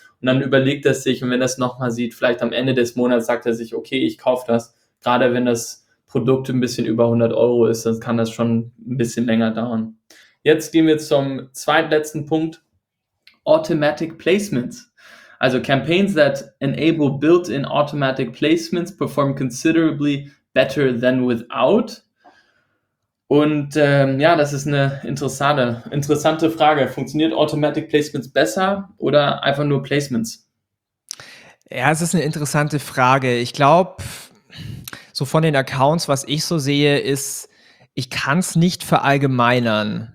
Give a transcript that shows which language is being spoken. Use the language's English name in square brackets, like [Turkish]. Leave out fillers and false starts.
[German] und dann überlegt er sich, und wenn er es nochmal sieht, vielleicht am Ende des Monats sagt er sich, okay, ich kaufe das, gerade wenn das Produkt ein bisschen über 100 € ist, dann kann das schon ein bisschen länger dauern. Jetzt gehen wir zum zweitletzten Punkt, Automatic Placements. [English] Also Campaigns that enable built-in automatic placements perform considerably better than without. [German] Und ja, das ist eine interessante Frage. Funktioniert automatic placements besser oder einfach nur Placements? Ja, es ist eine interessante Frage. Ich glaube, so von den Accounts, was ich so sehe, ist, ich kann es nicht verallgemeinern.